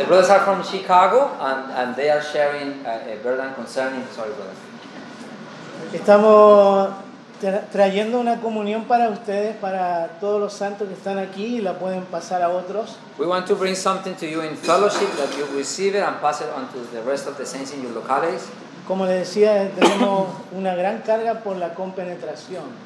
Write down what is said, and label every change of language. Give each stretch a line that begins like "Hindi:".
English: the brothers are from Chicago, and they are sharing a burden concerning. Sorry, brother.
Spanish: Estamos trayendo una comunión para ustedes, para todos los santos que están aquí, y la pueden pasar a otros.
English: We want to bring something to you in fellowship that you receive it and pass it on to the rest of the saints in your localities.
Spanish: Como les decía, tenemos una gran carga por la compenetración.